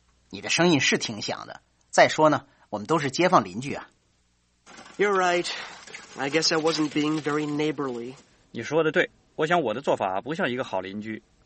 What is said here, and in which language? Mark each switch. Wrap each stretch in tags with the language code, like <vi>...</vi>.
<zh>你的声音是挺响的，再说呢，我们都是街坊邻居啊。</zh> <en>You're right. I guess I wasn't being very neighborly.</en> <zh>你说的对，我想我的做法不像一个好邻居。</zh>